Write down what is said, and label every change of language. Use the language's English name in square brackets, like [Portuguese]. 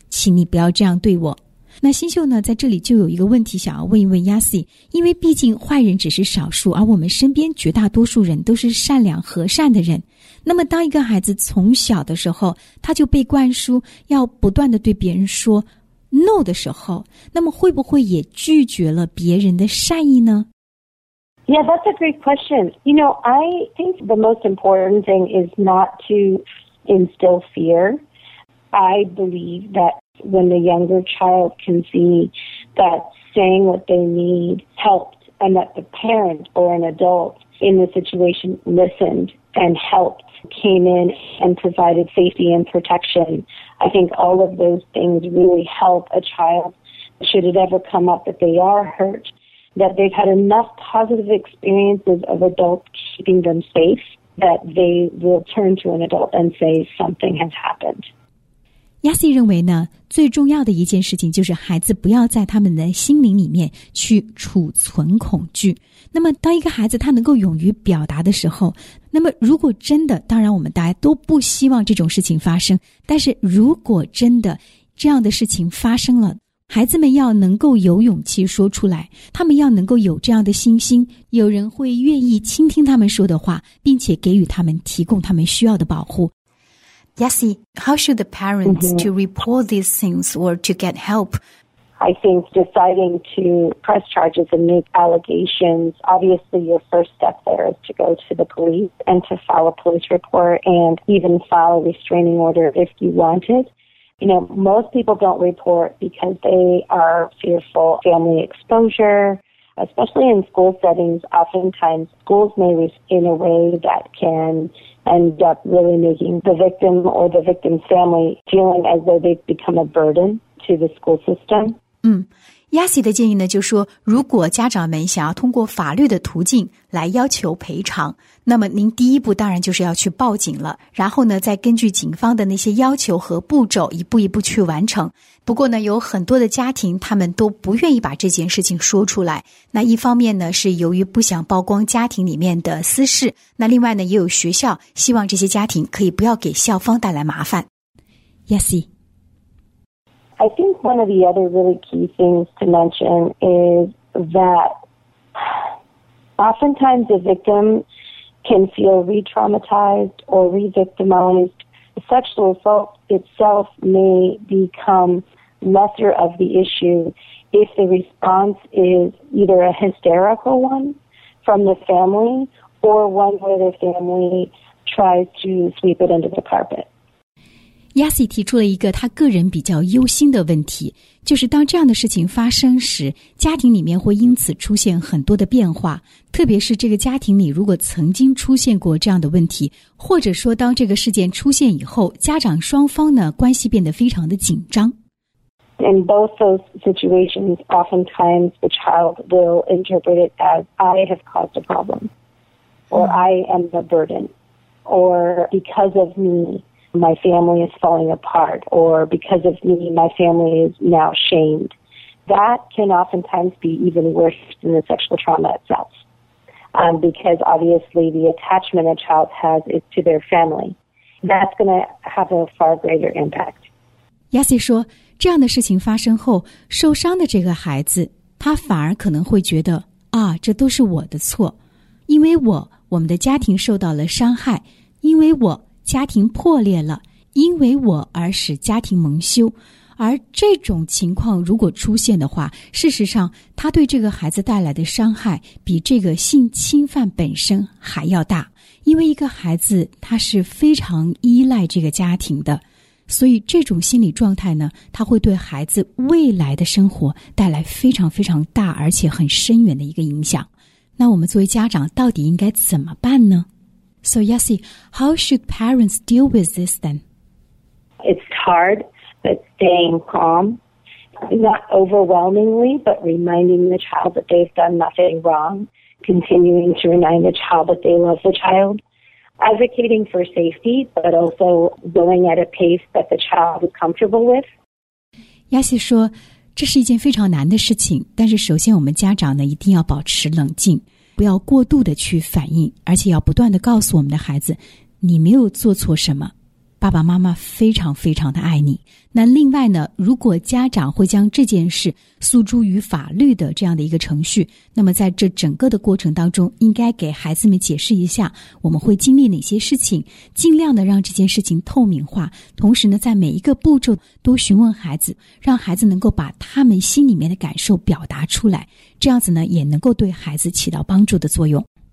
[Chinese] 请你不要这样对我。那新秀呢，在这里就有一个问题想要问一问 Yasi， 因为毕竟坏人只是少数，而我们身边绝大多数人都是善良和善的人。那么当一个孩子从小的时候，他就被灌输要不断的对别人说 no 的时候，那么会不会也拒绝了别人的善意呢？ [English] Yeah, that's a great question. You know, I think the most important thing is not to instill fear. I believe that when the younger child can see that saying what they need helped and that the parent or an adult in the situation listened and helped, came in and provided safety and protection, I think all of those things really help a child should it ever come up that they are hurt. That they've had enough positive experiences of adults keeping them safe that they will turn to an adult and say something has happened. [Chinese] Yasi 认为呢，最重要的一件事情就是孩子不要在他们的心灵里面去储存恐惧。那么当一个孩子他能够勇于表达的时候，那么如果真的，当然我们大家都不希望这种事情发生，但是如果真的这样的事情发生了，孩子们要能够有勇气说出来，他们要能够有这样的信心，有人会愿意倾听他们说的话，并且给予他们提供他们需要的保护。 [English] Yasi, how should the parents to report these things or to get help? I think deciding to press charges and make allegations, obviously your first step there is to go to the police and to file a police report and even file a restraining order if you want it. You know, most people don't report because they are fearful of family exposure, especially in school settings. Oftentimes, schools may respond in a way that can end up really making the victim or the victim's family feeling as though they've become a burden to the school system. [Chinese] Yasi 的建议呢，就说如果家长们想要通过法律的途径来要求赔偿，那么您第一步当然就是要去报警了，然后呢再根据警方的那些要求和步骤一步一步去完成。不过呢，有很多的家庭他们都不愿意把这件事情说出来，那一方面呢是由于不想曝光家庭里面的私事，那另外呢也有学校希望这些家庭可以不要给校方带来麻烦。 Yasi， [English] I think one of the other really key things to mention is that oftentimes the victim can feel re-traumatized or re-victimized. Sexual assault itself may become lesser of the issue if the response is either a hysterical one from the family or one where the family tries to sweep it under the carpet. [Chinese] Yasi 提出了一个他个人比较忧心的问题，就是当这样的事情发生时，家庭里面会因此出现很多的变化，特别是这个家庭里如果曾经出现过这样的问题，或者说当这个事件出现以后，家长双方呢关系变得非常的紧张。 [English] In both those situations, oftentimes the child will interpret it as I have caused a problem, or I am the burden, or because of meMy family is falling apart, or because of me, my family is now shamed. That can oftentimes be even worse than the sexual trauma itself, because obviously the attachment a child has is to their family. That's going to have a far greater impact. [Chinese] Yasi 说，这样的事情发生后，受伤的这个孩子，他反而可能会觉得，啊，这都是我的错，因为我们的家庭受到了伤害，因为我家庭破裂了，因为我而使家庭蒙羞。而这种情况如果出现的话，事实上他对这个孩子带来的伤害比这个性侵犯本身还要大，因为一个孩子他是非常依赖这个家庭的，所以这种心理状态呢，他会对孩子未来的生活带来非常非常大而且很深远的一个影响。那我们作为家长到底应该怎么办呢？ [English] So Yasi, how should parents deal with this then? It's hard, but staying calm, not overwhelmingly, but reminding the child that they've done nothing wrong, continuing to remind the child that they love the child, advocating for safety, but also going at a pace that the child is comfortable with. [Chinese] Yasi 说，这是一件非常难的事情，但是首先我们家长呢，一定要保持冷静。不要过度的去反应，而且要不断的告诉我们的孩子，你没有做错什么，爸爸妈妈非常非常的爱你。那另外呢，如果家长会将这件事诉诸于法律的这样的一个程序，那么在这整个的过程当中，应该给孩子们解释一下我们会经历哪些事情，尽量的让这件事情透明化，同时呢，在每一个步骤都询问孩子，让孩子能够把他们心里面的感受表达出来，这样子呢，也能够对孩子起到帮助的作用。